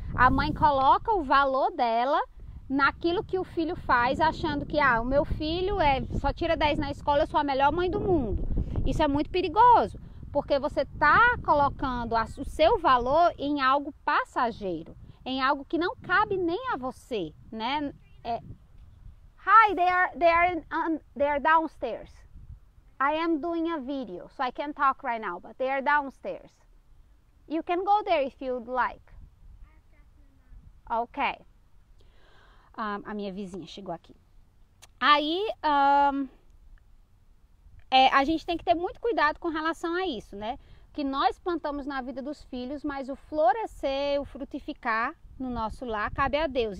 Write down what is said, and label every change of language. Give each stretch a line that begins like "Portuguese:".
Portuguese: A mãe coloca o valor dela naquilo que o filho faz, achando que, ah, o meu filho só tira 10 na escola, eu sou a melhor mãe do mundo. Isso é muito perigoso, porque você está colocando o seu valor em algo passageiro. Em algo que não cabe nem a você, né?
English: Hi, they are downstairs. I am doing a video, so I can't talk right now, but they are downstairs. You can go there if you'd like. Okay.
Portuguese: A minha vizinha chegou aqui. Aí, a gente tem que ter muito cuidado com relação a isso, né? Que nós plantamos na vida dos filhos, mas o florescer, o frutificar no nosso lar cabe a Deus.